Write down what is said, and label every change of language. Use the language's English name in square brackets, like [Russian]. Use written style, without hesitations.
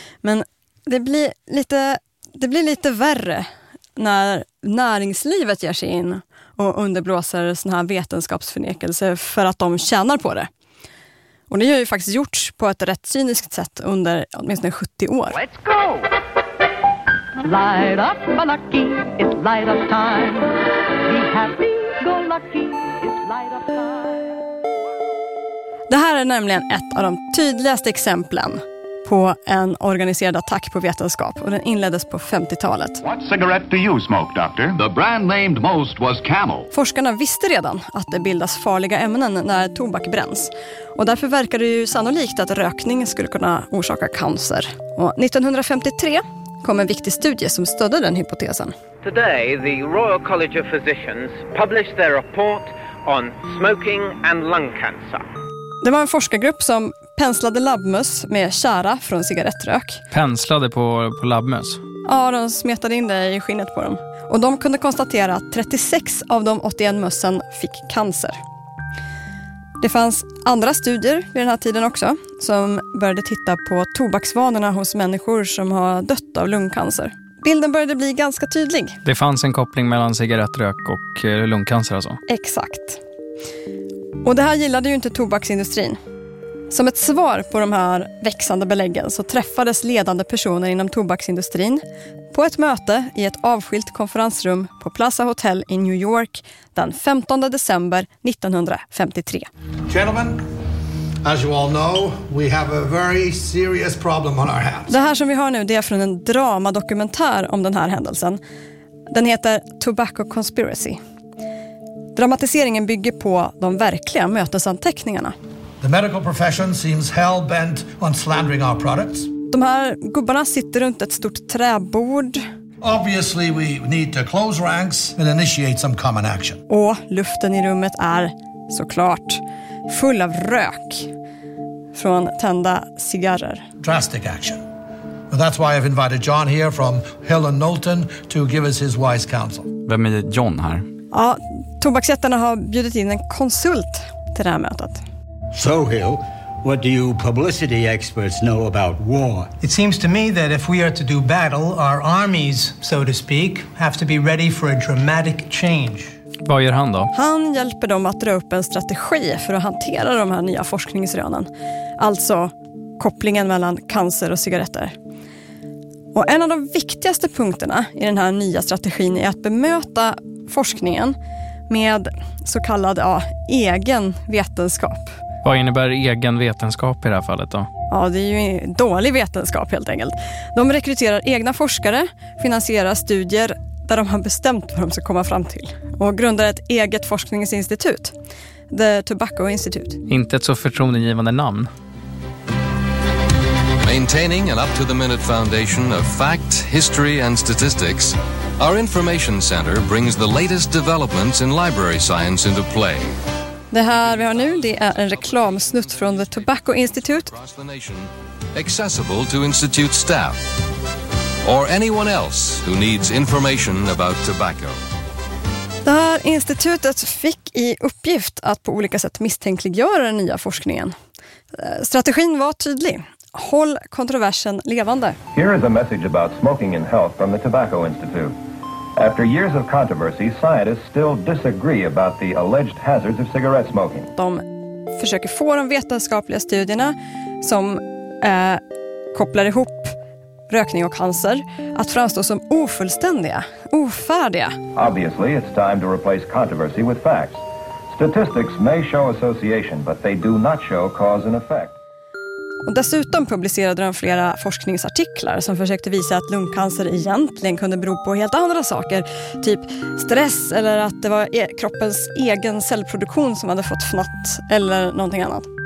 [Swedish] Men det blir lite värre när näringslivet ger sig in och underblåser sån här vetenskapsförnekelse för att de tjänar på det. Och det har ju faktiskt gjorts på ett rätt cyniskt sätt under åtminstone 70 år. [English] Let's go! Light up, my lucky, it's light up time. Be happy, go lucky, it's light up time. [Swedish] Det här är nämligen ett av de tydligaste exemplen på en organiserad attack på vetenskap. Och den inleddes på 50-talet. What cigarette do you smoke, doctor? The brand named most was Camel. Forskarna visste redan att det bildas farliga ämnen när tobak bränns. Och därför verkade det ju sannolikt att rökning skulle kunna orsaka cancer. Och 1953 kom en viktig studie som stödde den hypotesen. [English] Today, the Royal College of Physicians published their report on smoking and lung cancer. [Swedish] Det var en forskargrupp som penslade labbmöss med tjära från cigarettrök. Penslade på labbmöss? Ja, de smetade in det i skinnet på dem. Och de kunde konstatera att 36 av de 81 mössen fick cancer. Det fanns andra studier vid den här tiden också som började titta på tobaksvanorna hos människor som har dött av lungcancer. Bilden började bli ganska tydlig. Det fanns en koppling mellan cigarettrök och lungcancer alltså? Exakt. Och det här gillade ju inte tobaksindustrin. Som ett svar på de här växande beläggen så träffades ledande personer inom tobaksindustrin på ett möte i ett avskilt konferensrum på Plaza Hotel i New York den 15 december 1953. [English] Gentlemen, as you all know, we have a very serious problem on our hands. [Swedish] Det här som vi har nu, det är från en dramadokumentär om den här händelsen. Den heter Tobacco Conspiracy. Dramatiseringen bygger på de verkliga mötesanteckningarna. [English] The medical profession seems hell-bent on slandering our products. [Swedish] De här gubbarna sitter runt ett stort träbord. [English] Obviously we need to close ranks and initiate some common action. [Swedish] Och luften i rummet är såklart full av rök från tända cigarrer. [English] Drastic action. And that's why I've invited John here from Hill & Knowlton to give us his wise counsel. [Swedish] Vem är John här? Ja, tobaksjättarna har bjudit in en konsult till det här mötet. [English] So Hill, what do you publicity experts know about war? It seems to me that if we are to do battle, our armies, so to speak, have to be ready for a dramatic change. [Swedish] Vad gör han då? Han hjälper dem att dra upp en strategi för att hantera de här nya forskningsrönen. Alltså kopplingen mellan cancer och cigaretter. Och en av de viktigaste punkterna i den här nya strategin är att bemöta forskningen med så kallad egen vetenskap. Vad innebär egen vetenskap i det här fallet då? Ja, det är ju dålig vetenskap helt enkelt. De rekryterar egna forskare, finansierar studier där de har bestämt vad de ska komma fram till. Och grundar ett eget forskningsinstitut, The Tobacco Institute. Inte ett så förtroendegivande namn. [English] Maintaining an up-to-the-minute foundation of fact, history and statistics, our information center brings the latest developments in library science into play. [Swedish] Det här vi har nu, det är en reklamsnutt från The Tobacco Institute. [English] Accessible to institute staff or anyone else who needs information about tobacco. [Swedish] Det här institutet fick i uppgift att på olika sätt misstänkliggöra den nya forskningen. Strategin var tydlig. Håll kontroversen levande. [English] Here is a message about smoking and health from The Tobacco Institute. After years of controversy, scientists still disagree about the alleged hazards of cigarette smoking. [Swedish] De försöker få de vetenskapliga studierna som kopplar ihop rökning och cancer att framstå som ofullständiga, ofärdiga. [English] Obviously, it's time to replace controversy with facts. Statistics may show association, but they do not show cause and effect. [Swedish] Och dessutom publicerade de flera forskningsartiklar som försökte visa att lungcancer egentligen kunde bero på helt andra saker. Typ stress eller att det var kroppens egen cellproduktion som hade fått fnatt eller någonting annat.